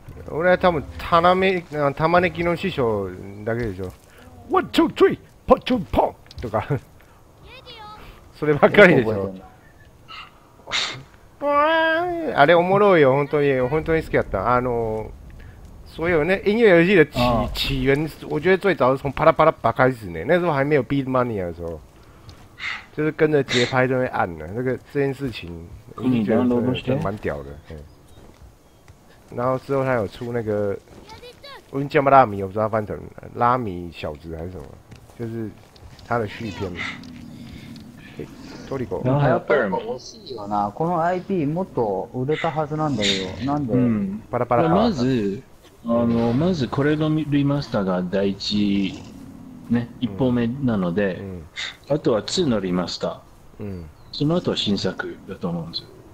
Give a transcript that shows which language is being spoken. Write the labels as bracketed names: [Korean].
[Japanese] 俺は多分玉ねぎの師匠だけでしょ。ワンツースリー、ポッチョンポンとか。そればっかりでしょ。わあ、あれおもろいよ、本当に本当に好きだった。 [Chinese] 所有那音乐游戏的 起源，我觉得最早是从《啪啦啪啦啪》开始呢。那时候还没有 Beat Money 的时候，就是跟着节拍在那按呢。那个这件事情，你觉得真的蛮屌的。然后之后他有出那个，我叫不拉米，我不知道翻成拉米小子还是什么，就是他的续篇。嘿，トリコ。然后还有贝尔蒙。 [Japanese] 欲しいよな。この IP もっと売れたはずなんだけど、なんで？パラパラパ。まず。まずこれのリマスターが第一、ね、一本目なので、あとは2のリマスター、その後は新作だと思うんですよ。